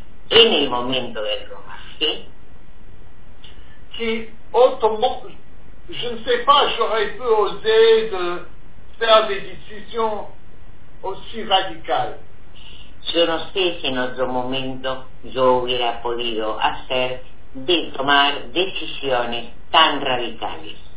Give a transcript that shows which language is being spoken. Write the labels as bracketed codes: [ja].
[es] En el momento del rodaje. [fr] Que autrement... Je ne sais pas, j'aurais pu oser de faire des décisions aussi radicales. [es] Yo no sé si en otro momento yo hubiera podido hacer de tomar decisiones tan radicales.